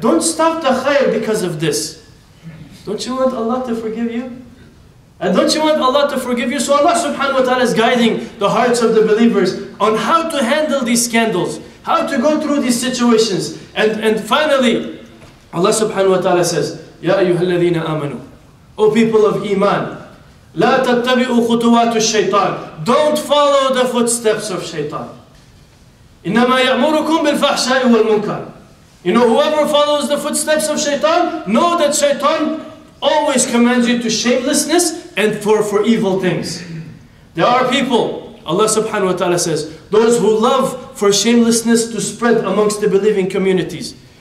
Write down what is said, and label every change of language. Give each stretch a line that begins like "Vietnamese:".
English: Don't stop the khayr because of this. Don't you want Allah to forgive you? And don't you want Allah to forgive you? So Allah subhanahu wa ta'ala is guiding the hearts of the believers on how to handle these scandals, how to go through these situations. And finally, Allah subhanahu wa ta'ala says,
Arabic: Ya ayyuha alladhina amanu.
English: O people of Iman,
Arabic: لا تتبعوا خطوات الشيطان.
English: Don't follow the footsteps of Shaytan.
Arabic: إنما يأمركم بالفحشاء والمنكر.
English: You know, whoever follows the footsteps of Shaytan, know that Shaytan always commands you to shamelessness and for evil things. There are people, Allah subhanahu wa ta'ala says, those who love for shamelessness to spread amongst the believing communities.